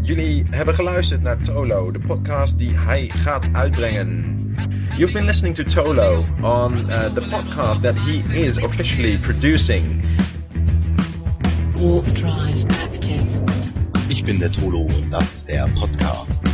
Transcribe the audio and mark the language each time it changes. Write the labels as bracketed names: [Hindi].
[Dutch] Jullie hebben geluisterd naar Tolo, de podcast die hij gaat uitbrengen. [English] You've been listening to Tolo on the podcast that he is officially producing. Warp Drive Active. [German] Ich bin der Tolo und das ist der Podcast.